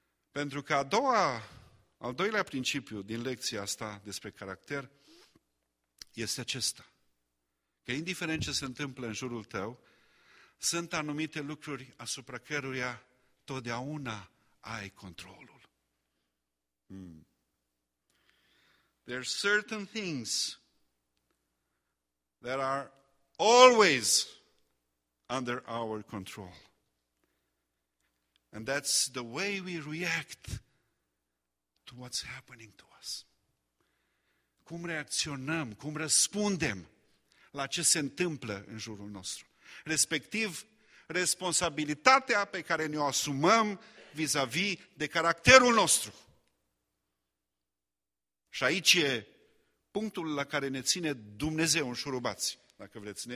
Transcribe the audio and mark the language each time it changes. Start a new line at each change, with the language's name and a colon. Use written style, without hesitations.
Romanian: Pentru că al doilea principiu din lecția asta despre caracter este acesta. Că indiferent ce se întâmplă în jurul tău, sunt anumite lucruri asupra căruia totdeauna ai controlul.
English: There are certain things that are always under our control. And that's the way we react to what's happening to us.
Romanian: Cum reacționăm, cum răspundem la ce se întâmplă în jurul nostru. Respectiv, responsabilitatea pe care ne-o asumăm vis-a-vis de caracterul nostru. Și aici e punctul la care ne ține Dumnezeu înșurubați, dacă vreți.